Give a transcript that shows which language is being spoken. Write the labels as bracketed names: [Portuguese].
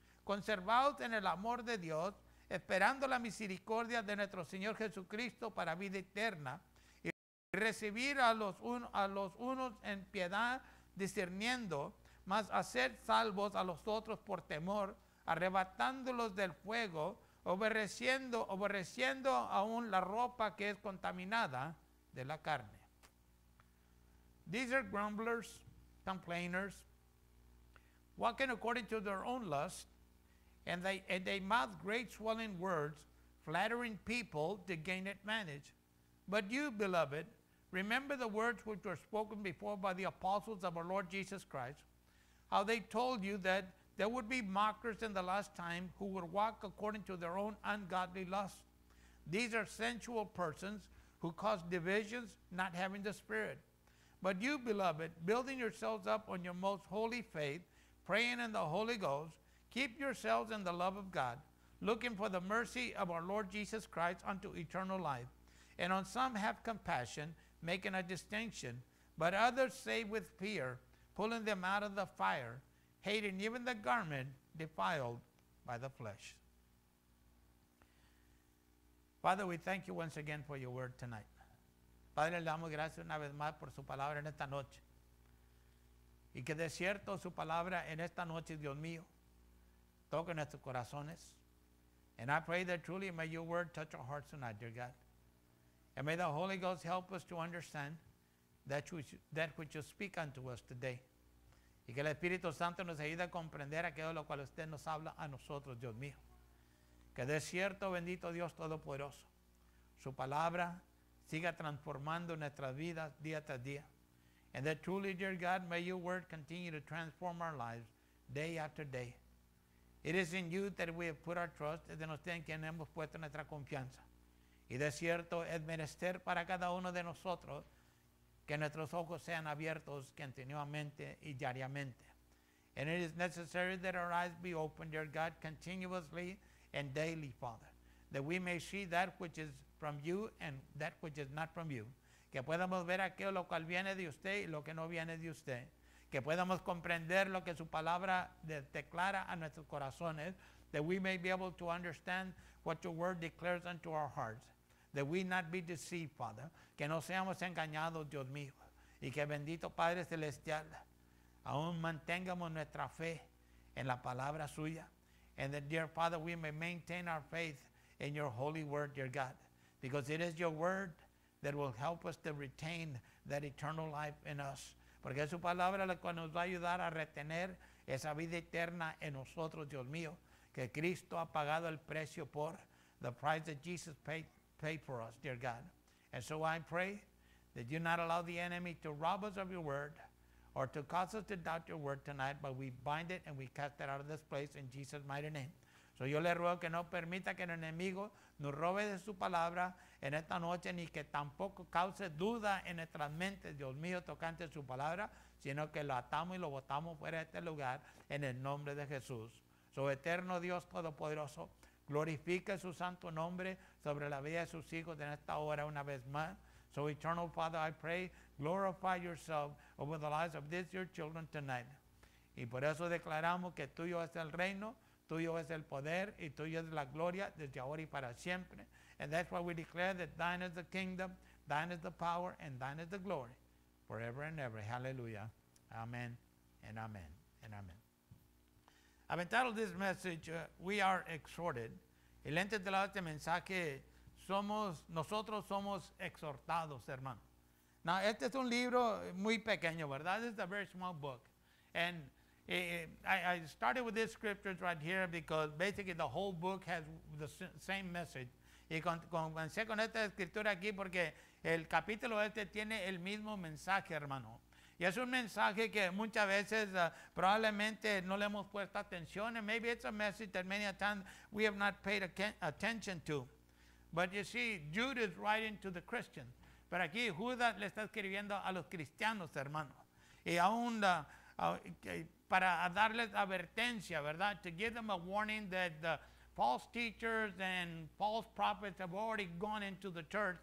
[Spanish] conservaos en el amor de Dios, esperando la misericordia de nuestro Señor Jesucristo para vida eterna, y recibir a los unos en piedad, discerniendo, mas hacer salvos a los otros por temor, arrebatándolos del fuego, aborreciendo aún la ropa que es contaminada de la carne. [English] These are grumblers, complainers, walking according to their own lust, and they mouth great swelling words, flattering people to gain advantage. But you, beloved, remember the words which were spoken before by the apostles of our Lord Jesus Christ, how they told you that there would be mockers in the last time who would walk according to their own ungodly lust. These are sensual persons who cause divisions, not having the Spirit. But you, beloved, building yourselves up on your most holy faith, praying in the Holy Ghost, keep yourselves in the love of God, looking for the mercy of our Lord Jesus Christ unto eternal life. And on some have compassion, making a distinction, but others save with fear, pulling them out of the fire, hating even the garment defiled by the flesh. Father, we thank you once again for your word tonight. [Spanish] Padre, le damos gracias una vez más por su palabra en esta noche. Y que de cierto su palabra en esta noche, Dios mío, toque nuestros corazones. [English] And I pray that truly may your word touch our hearts tonight, dear God. And may the Holy Ghost help us to understand that which you speak unto us today. [Spanish] Y que el Espíritu Santo nos ayude a comprender aquello lo cual usted nos habla a nosotros, Dios mío. Que de cierto, bendito Dios Todopoderoso, su palabra siga transformando nuestras vidas día tras día. [English] And that truly, dear God, may your word continue to transform our lives day after day. It is in you that we have put our trust, [Spanish] es en usted en quien hemos puesto nuestra confianza. Y de cierto, es menester para cada uno de nosotros que nuestros ojos sean abiertos continuamente y diariamente. [English] And it is necessary that our eyes be opened, dear God, continuously and daily, Father, that we may see that which is from you and that which is not from you. [Spanish] Que podamos ver aquello lo cual viene de usted y lo que no viene de usted. Que podamos comprender lo que su palabra declara a nuestros corazones. [English] That we may be able to understand what your word declares unto our hearts. That we not be deceived, Father. [Spanish] Que no seamos engañados, Dios mío. Y que bendito Padre Celestial, aún mantengamos nuestra fe en la palabra suya. [English] And that, dear Father, we may maintain our faith in your holy word, dear God. Because it is your word that will help us to retain that eternal life in us. [Spanish] Porque es su palabra la cual nos va a ayudar a retener esa vida eterna en nosotros, Dios mío, que Cristo ha pagado el precio por, [English] the price that Jesus paid for us, dear God. And so I pray that you not allow the enemy to rob us of your word or to cause us to doubt your word tonight, but we bind it and we cast it out of this place in Jesus' mighty name. [Spanish] So yo le ruego que no permita que el enemigo nos robe de su palabra en esta noche, ni que tampoco cause duda en nuestras mentes, Dios mío, tocante su palabra, sino que lo atamos y lo botamos fuera de este lugar en el nombre de Jesús. Su eterno Dios Todopoderoso, glorifique su santo nombre sobre la vida de sus hijos en esta hora una vez más. [English] So eternal Father, I pray, glorify yourself over the lives of these your children tonight. [Spanish] Y por eso declaramos que tuyo es el reino, tuyo es el poder y tuyo es la gloria desde ahora y para siempre. [English] And that's why we declare that thine is the kingdom, thine is the power, and thine is the glory forever and ever. Hallelujah. Amen and amen and amen. I've entitled this message, We Are Exhorted. [Spanish] Y le he entendido este mensaje. Nosotros somos exhortados, hermano. Now, este es un libro muy pequeño, ¿verdad? [English] This is a very small book. And I started with these scriptures right here because basically the whole book has the same message. [Spanish] Y comencé con esta escritura aquí porque el capítulo este tiene el mismo mensaje, hermano. Y es un mensaje que muchas veces probablemente no le hemos puesto atención. [English] And maybe it's a message that many a time we have not paid attention to. But you see, Jude is writing to the Christian. [Spanish] Pero aquí Judas le está escribiendo a los cristianos, hermano. Y aún para darles advertencia, ¿verdad? [English] To give them a warning that the false teachers and false prophets have already gone into the church.